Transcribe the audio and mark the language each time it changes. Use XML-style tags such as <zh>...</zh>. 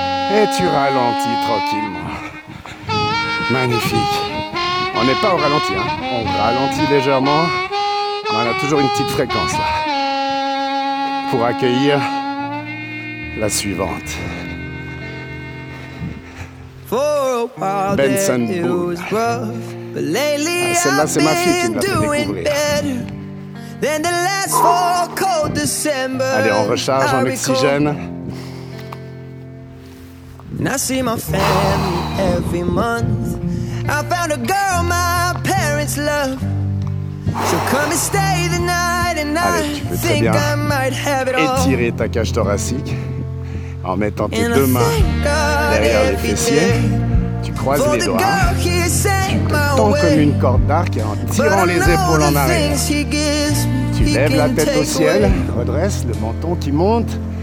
<fr>Et tu ralentis tranquillement. Magnifique. On n'est pas au ralenti, hein. On ralentit légèrement. On a toujours une petite fréquence là. Pour accueillir la suivante.</fr> <en>For a while Benson it was rough, but lately I've been doing better than the last four cold December.</en> <fr>Allez, on recharge en oxygène.</fr> <en>And I see my family every month. I found a girl my parents love. She'll come and stay the night and I think I might have it all.</en> <fr>Étirer ta cage thoracique en mettant tes deux mains derrière les fessiers. Tu croises les doigts. Tu te tends comme une corde d'arc en tirant les épaules en arrière. Tu lèves la tête au ciel, redresse le menton qui monte.</fr>